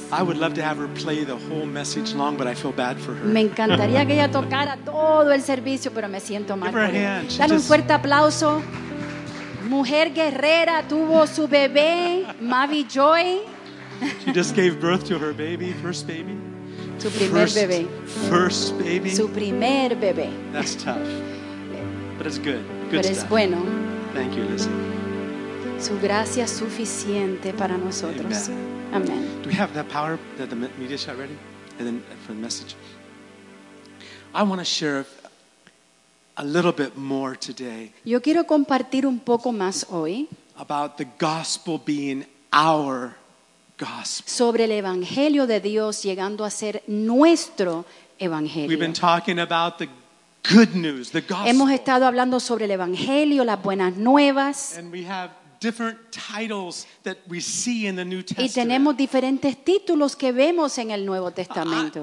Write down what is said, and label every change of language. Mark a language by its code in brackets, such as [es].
[en] I would love to have her play the whole message long, but I feel bad for her. [es] Me encantaría que ella tocara todo el servicio, pero me siento mal. [en] Give her a hand. [es] Dale un fuerte aplauso. Mujer guerrera, tuvo su bebé, Mavi Joy. [en] She just gave birth to her baby, first baby. [es] Su primer [en] first, [es] bebé. [en] First baby. [es] Su primer bebé. [en] That's tough. But it's good. Good [es] pero [en] stuff. [es] Es bueno. [en] Thank you, Lizzie. [es] Su gracia es suficiente para nosotros. [en] Amen. Amen. Do we have that power that the media shot ready? And then for the message. I want to share a little bit more today. [es] Yo quiero compartir un poco más hoy. [en] About the gospel being our gospel. [es] Sobre el evangelio de Dios llegando a ser nuestro evangelio. [en] We've been talking about the good news, the gospel. [es] Hemos estado hablando sobre el evangelio, las buenas nuevas. [en] And we have different titles that we see in the New Testament. [es] Y tenemos diferentes títulos que vemos en el Nuevo Testamento.